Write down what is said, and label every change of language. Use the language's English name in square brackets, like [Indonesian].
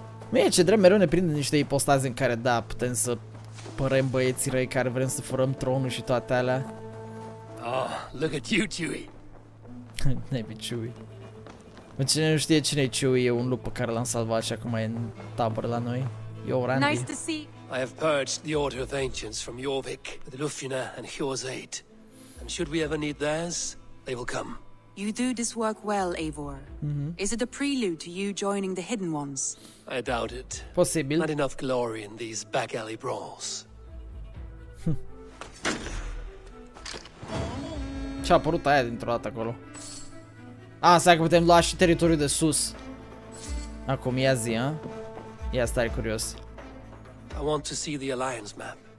[Romanian] Mie ce drept mereu ne prinde niște ipostaze în care da, putem să părem băieții răi care vrem să furăm tronul și toate alea. [English] Oh, look at you, Chewie. Maybe Chewie. [Romanian] Mă, cine nu știe cine e Chewie, e un lup pe care l-am salvat și acum e în tabără la noi. [English] Yo, Randy. Nice to see. I have purged the Order of Ancients from Jorvik with Lufina and Hjor's aid. And should we ever need theirs, they will come. You do this work well, Eivor. Mm-hmm. Is it a prelude to you joining the Hidden Ones? I doubt it. Possible. Not enough glory in these back alley brawls. [Romanian] Ce-a apărut aia dintr-o dată acolo? Ah, stai că putem lua și teritoriul de sus. Acum ia zi, a? Ia stai curios. [English] I want to see the alliance map.